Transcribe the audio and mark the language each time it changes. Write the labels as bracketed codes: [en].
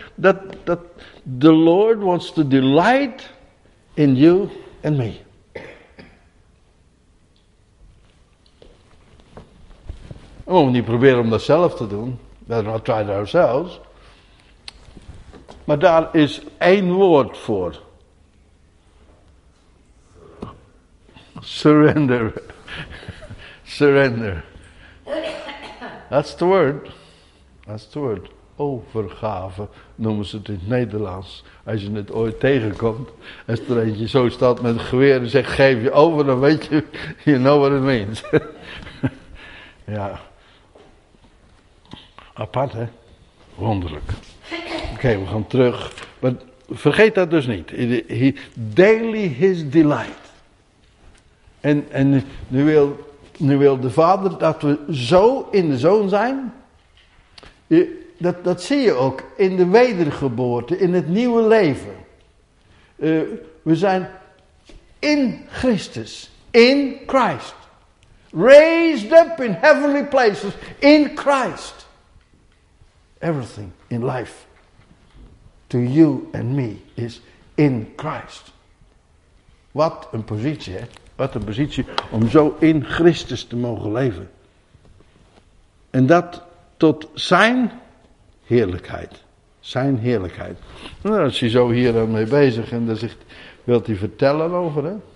[en] Dat the Lord wants to delight in you and me. [nl] We moeten niet proberen om dat zelf te doen. [en] Better not try it ourselves. [nl] Maar daar is één woord voor. [en] Surrender. Surrender. That's the word. [nl] Overgave noemen ze het in het Nederlands. Als je het ooit tegenkomt. Als er eentje zo staat met een geweer en zegt geef je over. Dan weet je, [en] you know what it means. [nl] Ja. Apart, hè? Wonderlijk. Oké, we gaan terug. Maar vergeet dat dus niet. [en] He daily his delight. [nl] En nu wil de Vader dat we zo in de Zoon zijn. Dat zie je ook in de wedergeboorte, in het nieuwe leven. We zijn in Christus, [en] in Christ. Raised up in heavenly places, in Christ. Everything in life to you and me is in Christ. [nl] Wat een positie, hè? Wat een positie om zo in Christus te mogen leven. En dat tot zijn heerlijkheid. Zijn heerlijkheid. En daar is hij zo hier aan mee bezig en daar wil hij vertellen over, hè?